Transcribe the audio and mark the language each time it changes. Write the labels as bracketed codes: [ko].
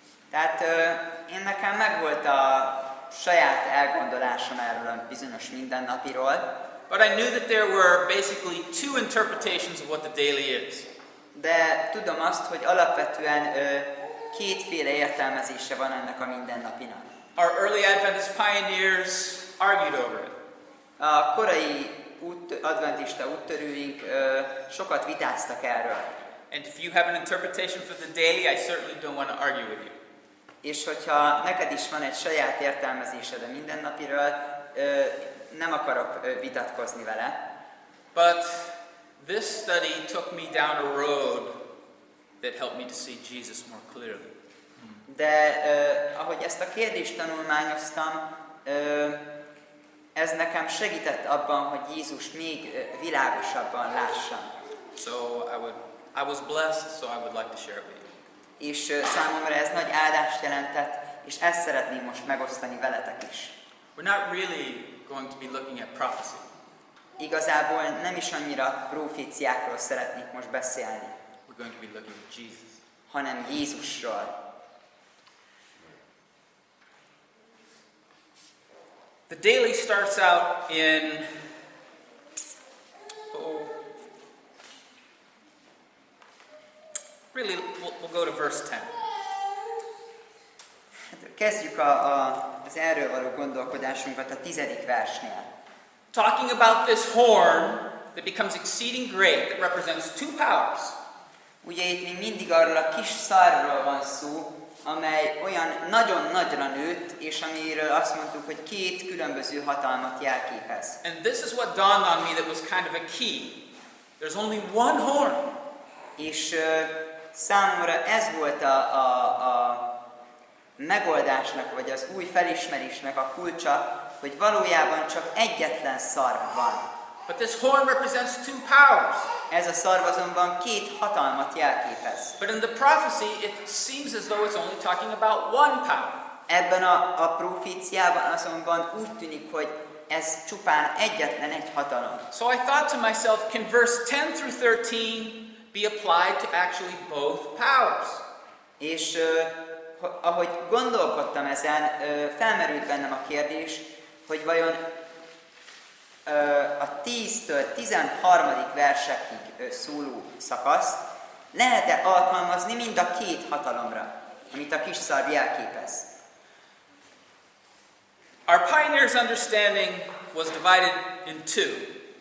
[hu] Tehát én nekem megvolt a saját elgondolásom erről a bizonyos mindennapiról. [en] But I knew that there were basically two interpretations of what the daily is. [hu] De tudom azt, hogy alapvetően kétféle értelmezése van ennek a mindennapinak. [en] Our early Adventist pioneers argued over it. [hu] A korai adventista úttörőink sokat vitáztak erről. [en] And if you have an interpretation for the daily, I certainly don't want to argue with you. [hu] És hogyha neked is van egy saját értelmezésed a mindennapiről, nem akarok vitatkozni vele. [en] But this study took me down a road that helped me to see Jesus more clearly. [hu] De ahogy ezt a kérdést tanulmányoztam, ez nekem segített abban, hogy Jézus még világosabban lássam. [en] So I was blessed, so I would like to share it with you. [hu] És számomra ez nagy áldást jelentett, és ezt szeretném most megosztani veletek is. [en] We're not really going to be looking at prophecy. [hu] Igazából nem is annyira proféciákról szeretnék most beszélni. [en] We're going to be looking at Jesus. [hu] Hanem Jézusról. [en] The daily starts out in really, we'll go to verse 10. [hu] Kezdjük az erről való gondolkodásunkat a 10. versnél. [en] Talking about this horn that becomes exceeding great, that represents two powers. [hu] Ugye itt még mindig arról a kis szárról van szó, amely olyan nagyon nagyra nőtt, és amiről azt mondtuk, hogy két különböző hatalmat jelképez. [en] And this is what dawned on me that was kind of a key. There's only one horn. [hu] És számomra ez volt a megoldásnak, vagy az új felismerésnek a kulcsa, hogy valójában csak egyetlen szarv van. [en] But this horn represents two powers. [hu] Ez a szarv azonban két hatalmat jelképez. [en] But in the prophecy it seems as though it's only talking about one power. [hu] Ebben a proféciában azonban úgy tűnik, hogy ez csupán egyetlen egy hatalom. [en] So I thought to myself, can verse 10 through 13 be applied to actually both powers? [hu] És ahogy gondolkodtam ezen, felmerült bennem a kérdés, hogy vajon a 10-től 13. versekig szóló szakaszt lehet-e alkalmazni mind a két hatalomra, amit a kis szarv jelképez? [en] Our pioneers' understanding was divided in two.